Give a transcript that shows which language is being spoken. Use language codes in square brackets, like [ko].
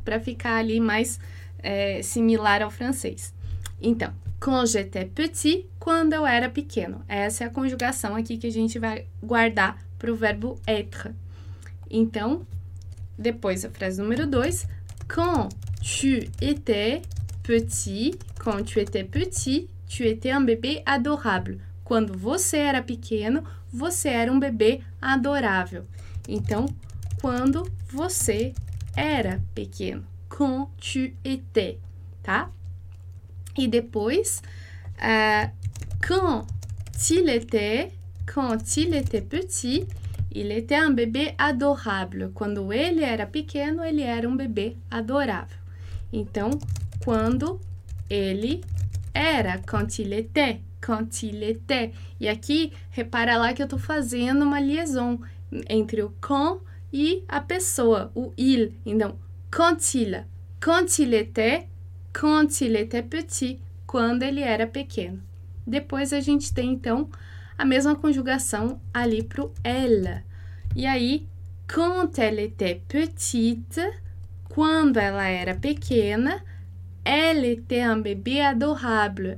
[pt] Para ficar ali mais similar ao francês. Então, [fr] quand j'étais petit, [pt] quando eu era pequeno. Essa é a conjugação aqui que a gente vai guardar para o verbo être. Então, depois a frase número 2. [fr] Quand tu étais petit, tu étais un bébé adorable. [pt] Quando você era pequeno, você era um bebê adorável. Então, quando você era pequeno, [fr] quand tu étais, [pt] tá? E depois, [fr] quand il était petit, il était un bébé adorable. [pt] Quando ele era pequeno, ele era um bebê adorável. Então, quando ele era, [fr] quand il était. [pt] E aqui, repara lá que eu tô fazendo uma liaison entre o quand e a pessoa, o il. Então, [fr] quand il était petit, [pt] quando ele era pequeno. Depois a gente tem, então, a mesma conjugação ali para o elle. E aí, [fr] quand elle était petite, [pt] quando ela era pequena, [fr] elle était un bébé adorable.